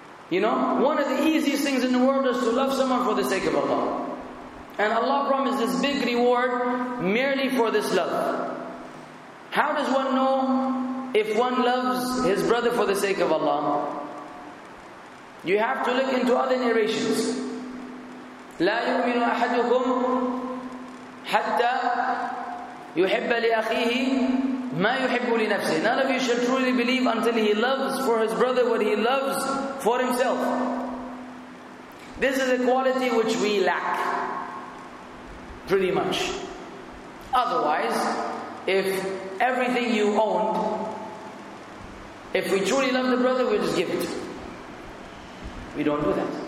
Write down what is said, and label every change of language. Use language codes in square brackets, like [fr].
[en] You know, one of the easiest things in the world is to love someone for the sake of Allah. And Allah promises big reward merely for this love. How does one know if one loves his brother for the sake of Allah? You have to look into other narrations. [ar] لا يؤمن أحدكم حتى يحب لأخيه ما يحب لنفسه. [en] None of you should truly believe until he loves for his brother what he loves for himself. This is a quality which we lack. Pretty much. Otherwise, if everything you owned, if we truly love the brother, we'll just give it. We don't do that.